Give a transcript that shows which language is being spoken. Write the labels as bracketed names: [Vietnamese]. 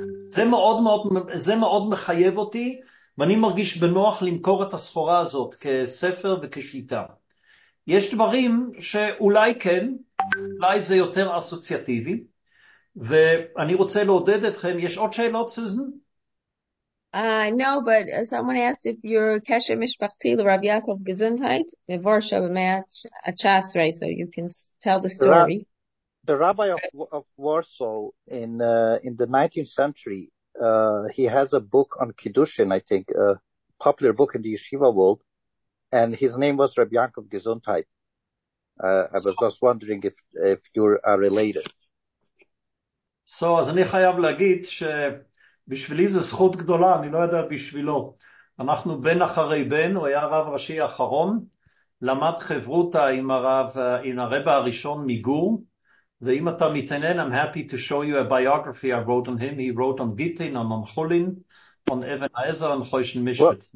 [Hebrew] זה מאוד, מאוד, זה מאוד מחייב אותי, ואני מרגיש בנוח למכור את הסחורה הזאת כספר וכשיטה. יש דברים שאולי כן, אולי זה יותר אסוציאטיבי, ואני רוצה לעודד אתכם. יש עוד שאלות, סוזן? [English] No, but someone asked if your [Hebrew] קשר משפחתי לרב יעקב גזונדהייט מבורשה במאה ה-19, [English] so you can tell the story. The rabbi of Warsaw in the 19th century, he has a book on Kiddushin, I think, a popular book in the yeshiva world, and his name was Rabbi Yaakov Gesundheit. I was just wondering if you are related. So, [Hebrew] אז אני חייב להגיד שבשבילי זה זכות גדולה, אני לא יודע בשבילו. אנחנו בן אחרי בן, הוא היה רב ראשי אחרון, למד חברותה עם הרב, עם הרבה הראשון מגור, ואם אתה מתעניין, [English] I'm happy to show you a biography I wrote on him. He wrote on Gittin, on Amcholin, on Evan Ezer, on Choshen Mishpat.